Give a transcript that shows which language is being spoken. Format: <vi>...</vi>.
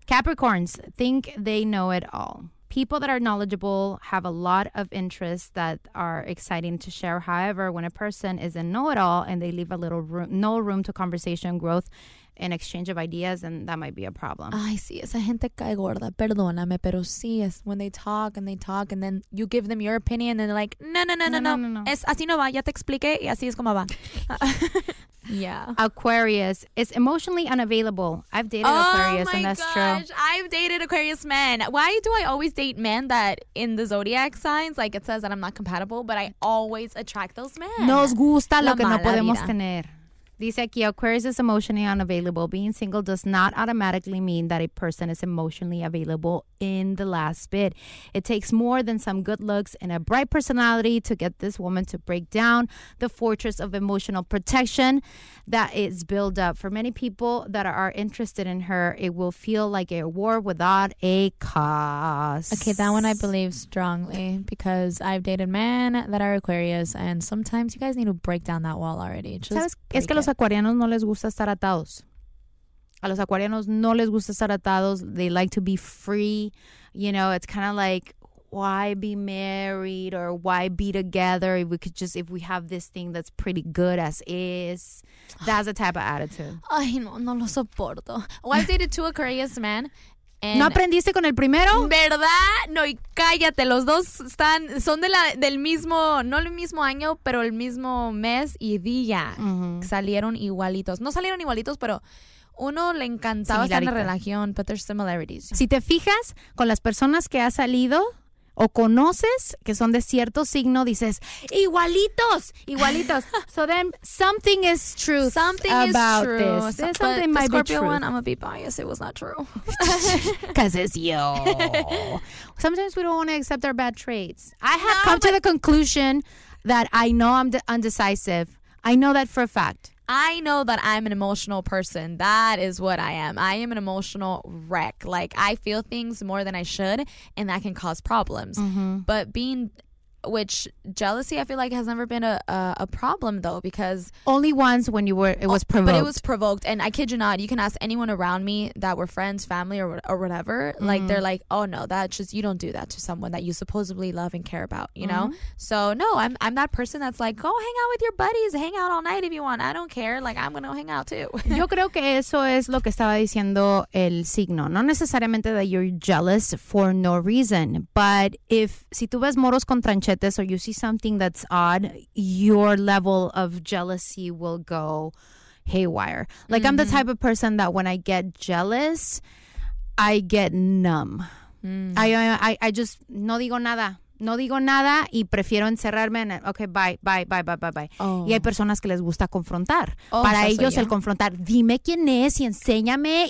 <en>Capricorns think they know it all. People that are knowledgeable have a lot of interests that are exciting to share. However, when a person is a know-it-all and they leave a little room, no room to conversation, growth, and exchange of ideas, and that might be a problem.</en> <es>Ay, sí, esa gente cae gorda. Perdóname, pero sí, es</es> <en>when they talk, and then you give them your opinion, and they're like, no.</en> <es>Es así no va, ya te expliqué, y así es como va.</es> <en>Yeah. Aquarius is emotionally unavailable. I've dated Aquarius, and that's true. Oh, my gosh. I've dated Aquarius men. Why do I always date men that in the zodiac signs, like it says that I'm not compatible, but I always attract those men?</en> <es>Nos gusta lo que no podemos tener. Dice aquí,</es> <en>Aquarius is emotionally unavailable. Being single does not automatically mean that a person is emotionally available in the last bit. It takes more than some good looks and a bright personality to get this woman to break down the fortress of emotional protection that is built up. For many people that are interested in her, it will feel like a war without a cause. Okay, that one I believe strongly because I've dated men that are Aquarius and sometimes you guys need to break down that wall already.</en> <es>A los acuarianos no les gusta estar atados. A los acuarianos no les gusta estar atados.</es> <en>They like to be free. You know, it's kind of like, why be married or why be together if we could just, if we have this thing that's pretty good as is. That's a type of attitude.</en> <es>Ay, no lo soporto.</es> <en>Well, I've dated two Aquarius men.</en> <es>¿No aprendiste con el primero? ¿Verdad? No, y cállate. Los dos están, son de la, del mismo, no el mismo año, pero el mismo mes y día. Uh-huh. Salieron igualitos. No salieron igualitos, pero uno le encantaba estar en la relación,</es> <en>but there's similarities.</en> <es>Si te fijas con las personas que has salido o conoces que son de cierto signo, dices, igualitos, igualitos.</es> <en>So then, something is true. Something about is true. This. So, then something might Scorpio be true. Scorpio one, I'm going to be biased. It was not true. Because it's you. Sometimes we don't want to accept our bad traits. I have come to the conclusion that I know I'm undecisive. I know that for a fact. I know that I'm an emotional person. That is what I am. I am an emotional wreck. Like, I feel things more than I should, and that can cause problems. Mm-hmm. But being, which jealousy, I feel like, has never been a problem, though, because... Only once when you were, it was provoked. But it was provoked. And I kid you not, you can ask anyone around me that were friends, family, or whatever. Mm-hmm. Like, they're like, oh, no, that's just, you don't do that to someone that you supposedly love and care about, you mm-hmm. know? So, no, I'm that person that's like, go hang out with your buddies. Hang out all night if you want. I don't care. Like, I'm going to hang out, too.</en> <es>Yo creo que eso es lo que estaba diciendo el signo. No necesariamente</es> <en>that you're jealous for no reason, but if,</en> <es>si tú ves moros con tranchetes,</es> <en>this or you see something that's odd, your level of jealousy will go haywire. Like mm-hmm. I'm the type of person that when I get jealous, I get numb. Mm. I just</en> <es>no digo nada. no digo nada y prefiero encerrarme en el,</es> <en>okay, bye.</en> <es>Oh. Y hay personas que les gusta confrontar. Oh, para ellos el confrontar, dime quién es y enséñame</es>